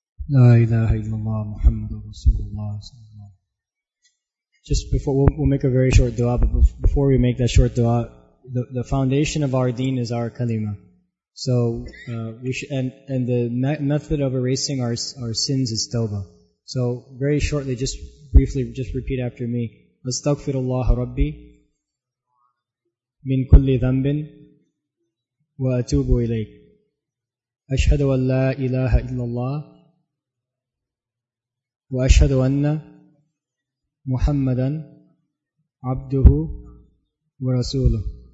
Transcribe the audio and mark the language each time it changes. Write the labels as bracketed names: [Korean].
[Arabic] لا إله إلا الله محمد رسول الله صلى الله عليه وسلم. [English] Just before, we'll make a very short dua, but before we make that short dua, the foundation of our deen is our kalima. So we should, and the method of erasing our sins is tawbah. So very shortly, just briefly, just repeat after me. [Arabic] أستغفر الله ربي من كل ذنب وأتوب إليك. أشهد أن لا إله إلا الله وأشهد أن محمدا عبده ورسوله.